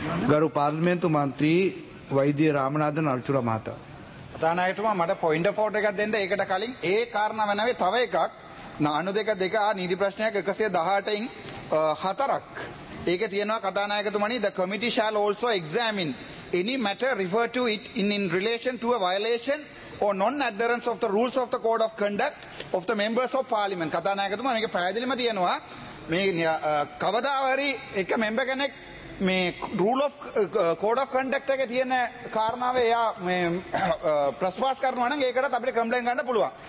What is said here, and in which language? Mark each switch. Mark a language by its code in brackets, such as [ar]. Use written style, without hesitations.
[si] ගරු පාර්ලිමේන්තු මන්ත්‍රී වෛද්‍ය රාමනාදන් අල්චුර මහතා. ප්‍රධානයතුමා, මට පොයින්ට් ෆෝට් එකක් දෙන්න. ඒකට කලින් ඒ කාරණාව නැවේ තව එකක්, 92.2 නීති ප්‍රශ්නයක් 118 4ක්. ඒක තියෙනවා කථානායකතුමනි, [en] the committee shall also examine any matter referred to it in relation to a violation or non-adherence of the rules of the code of conduct of the members of parliament. [si] කථානායකතුමා, මේක පැහැදිලිම තියෙනවා. මේ කවදා හරි එක මෙම්බර් කෙනෙක් මේ rule of code of conduct එකේ තියෙන කාරණාව එයා මේ ප්‍රස්පාස් කරනවා නම් ඒකටත් අපිට කම්ප්ලයින් ගන්න පුළුවන්.